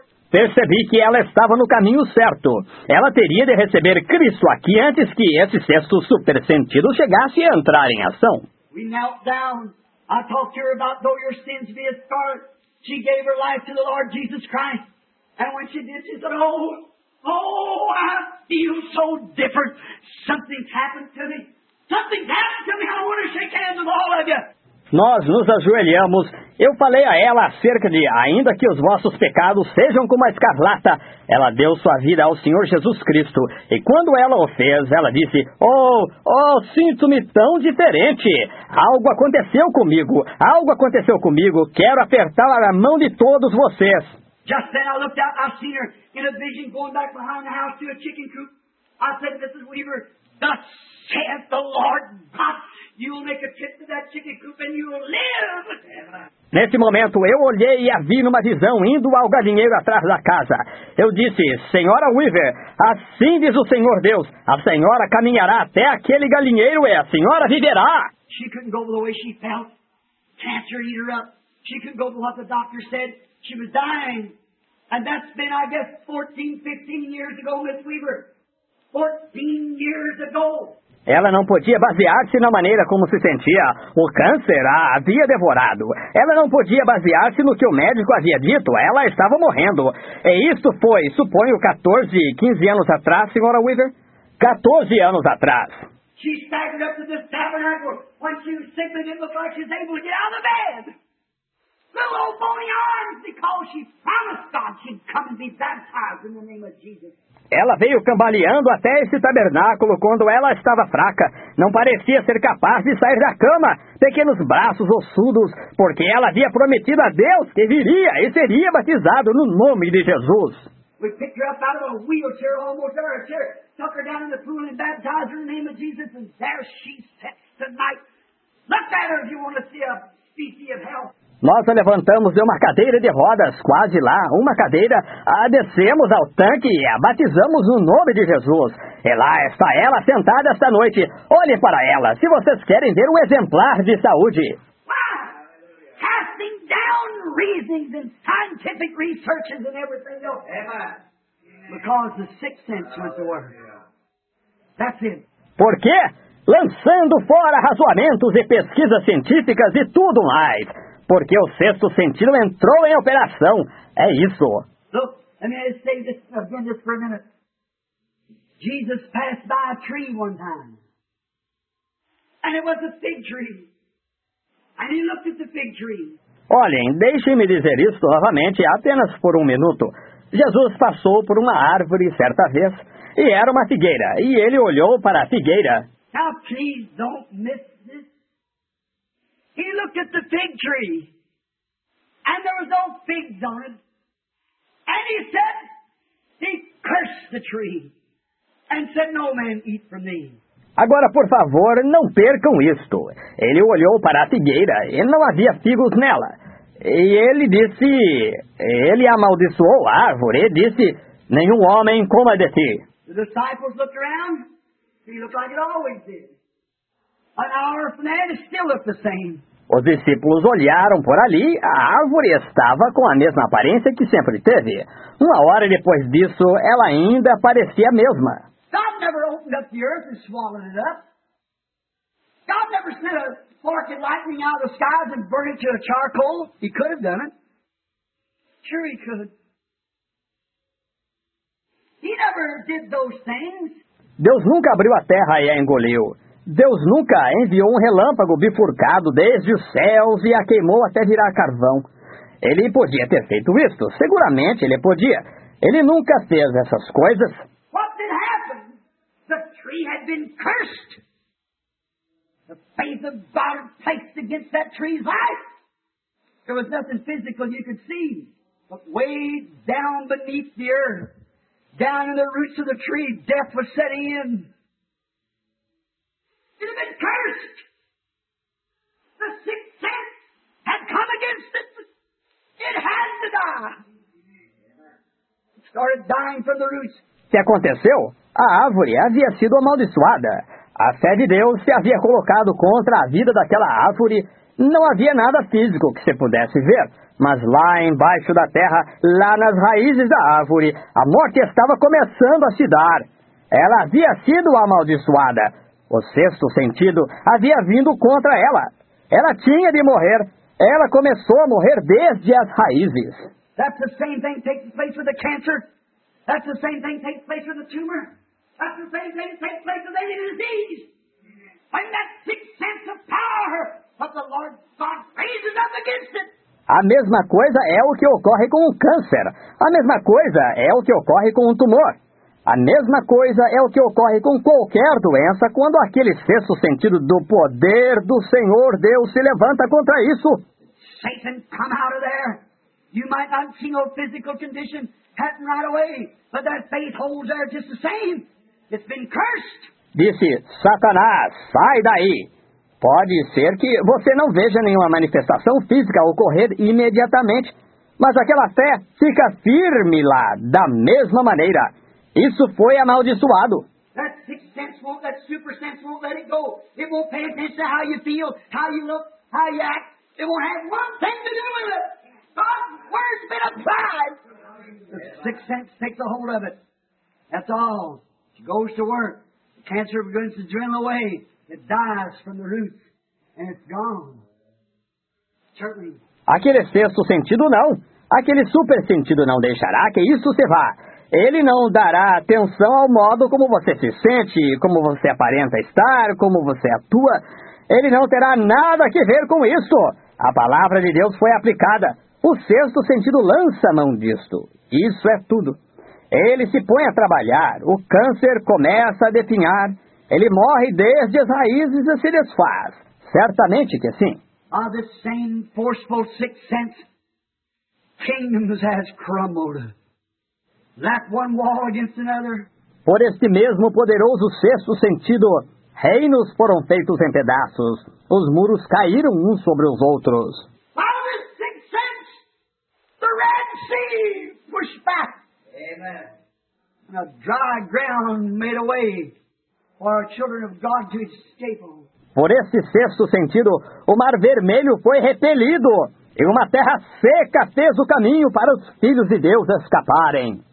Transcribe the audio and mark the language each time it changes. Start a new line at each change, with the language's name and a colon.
Portuguese: Percebi que ela estava no caminho certo. Ela teria de receber Cristo aqui antes que esse sexto super sentido chegasse a entrar em ação.
English: We knelt down. I talked to her about though your sins be as scarlet. She gave her life to the Lord Jesus Christ. And when she did, she said, oh, I feel so different. Something's happened to me. Something's happened to me. I want to shake hands with all of you.
Portuguese: Nós nos ajoelhamos. Eu falei a ela acerca de, ainda que os vossos pecados sejam como a escarlata, ela deu sua vida ao Senhor Jesus Cristo. E quando ela o fez, ela disse, oh, sinto-me tão diferente. Algo aconteceu comigo. Quero apertar a mão de todos vocês.
English: Just then I looked out and I seen her in a vision going back behind the house to a chicken coop. I said, Mrs. Weaver, thus saith the Lord God. You will make a trip to that chicken coop and you will live.
Portuguese: Nesse momento, eu olhei e a vi numa visão indo ao galinheiro atrás da casa. Eu disse, Senhora Weaver, assim diz o Senhor Deus, a senhora caminhará até aquele galinheiro e a senhora viverá.
English: She couldn't go the way she felt. Cancer eat her up. She couldn't go what the doctor said. She was dying. And that's been, I guess, 14, 15 years ago, Miss Weaver. 14 years ago.
Portuguese: Ela não podia basear-se na maneira como se sentia. O câncer a havia devorado. Ela não podia basear-se no que o médico havia dito. Ela estava morrendo. E isso foi, suponho, 14, 15 anos atrás, senhora Weaver. 14 anos atrás.
English: She staggered up to this tabernacle when she was sick and didn't look like she was able to get out of bed. Little old bony arms because she promised God she'd come and be baptized in the name of Jesus.
Portuguese: Ela veio cambaleando até esse tabernáculo quando ela estava fraca. Não parecia ser capaz de sair da cama, pequenos braços ossudos, porque ela havia prometido a Deus que viria e seria batizado no nome de Jesus.
English: We picked her up out of a wheelchair, almost out of a chair, took her down in the pool and baptized her in the name of Jesus, and there she sits tonight. Look at her if you want to see a species of hell.
Portuguese: Nós a levantamos de uma cadeira de rodas, quase lá, uma cadeira, a descemos ao tanque e a batizamos no nome de Jesus. E lá está ela sentada esta noite. Olhem para ela, se vocês querem ver um exemplar de saúde.
English: Wow. Casting down reasons and scientific researches and everything else. Because the sixth sense was the word. That's it.
Portuguese: Por quê? Lançando fora razoamentos e pesquisas científicas e tudo mais. Porque o sexto sentido entrou em operação. É isso.
English: Look, let me say this again just for a minute. Jesus passed by a tree one time. And it was a fig tree. And he looked at the fig tree.
Portuguese: Olhem, deixem-me dizer isso novamente apenas por um minuto. Jesus passou por uma árvore certa vez. E era uma figueira. E ele olhou para a figueira.
English: Now, please don't miss. He looked at the fig tree, and there was no figs on it. And he said, he cursed the tree, and said, no man eat from me.
Portuguese: Agora, por favor, não percam isto. Ele olhou para a figueira e não havia figos nela. E ele disse, ele amaldiçoou a árvore e disse, nenhum homem coma de ti.
English: The disciples looked around. He looked like it always did. An hour from there, it still looked the same.
Portuguese: Os discípulos olharam por ali, a árvore estava com a mesma aparência que sempre teve. Uma hora depois disso, ela ainda parecia a mesma.
English: God never opened up the earth and swallowed it up. God never sent a spark of lightning out of the skies and burned it to a charcoal. He could have done it. Sure he could. He never did those things.
Portuguese: Deus nunca abriu a terra e a engoliu. Deus nunca enviou um relâmpago bifurcado desde os céus e a queimou até virar carvão. Ele podia ter feito isto. Seguramente ele podia. Ele nunca fez essas coisas.
English: What did happen? The tree had been cursed. The faith of God placed against that tree's life. There was nothing physical you could see. But way down beneath the earth, down in the roots of the tree, death was setting in. It had been cursed. The sixth sense had come against it. It had to die. It started dying from the roots.
Portuguese: Se aconteceu, a árvore havia sido amaldiçoada. A fé de Deus se havia colocado contra a vida daquela árvore. Não havia nada físico que se pudesse ver. Mas lá embaixo da terra, lá nas raízes da árvore, a morte estava começando a se dar. Ela havia sido amaldiçoada. O sexto sentido havia vindo contra ela. Ela tinha de morrer. Ela começou a morrer desde as raízes.
English: That's the same thing taking place with the cancer. That's the same thing taking place with the tumor. That's the same thing taking place with any disease. When that sixth sense of power of the Lord God raises up against it.
Portuguese: A mesma coisa é o que ocorre com o câncer. A mesma coisa é o que ocorre com o tumor. A mesma coisa é o que ocorre com qualquer doença quando aquele sexto sentido do poder do Senhor Deus se levanta contra isso.
English: Satan, come out of there. You might not see no physical condition happen right away, but that faith holds there just the same. It's been cursed.
Portuguese: Disse, Satanás, sai daí. Pode ser que você não veja nenhuma manifestação física ocorrer imediatamente, mas aquela fé fica firme lá, da mesma maneira. Isso foi amaldiçoado.
English: That sixth sense won't, that super sense won't let it go. It won't pay attention to how you feel, how you look, how you act. It won't have one thing to do with it. God's word's been applied. The sixth sense takes a hold of it. That's all. It goes to work. The cancer begins to drain away. It dies from the roots. And it's gone. Certainly.
Portuguese: Aquele sexto sentido não. Aquele super sentido não deixará que isso se vá. Ele não dará atenção ao modo como você se sente, como você aparenta estar, como você atua. Ele não terá nada que ver com isso. A palavra de Deus foi aplicada. O sexto sentido lança a mão disto. Isso é tudo. Ele se põe a trabalhar. O câncer começa a definhar. Ele morre desde as raízes e se desfaz. Certamente que sim.
English: Ah, the same forceful sixth sense. Kingdoms has crumbled. That one wall against another.
Portuguese: Por este mesmo poderoso sexto sentido, reinos foram feitos em pedaços. Os muros caíram uns sobre os outros.
English: By the sixth sense, the Red Sea pushed back. Amen. And a dry ground made a way for our children of God to escape on.
Portuguese: Por este sexto sentido, o Mar Vermelho foi repelido. E uma terra seca fez o caminho para os filhos de Deus escaparem.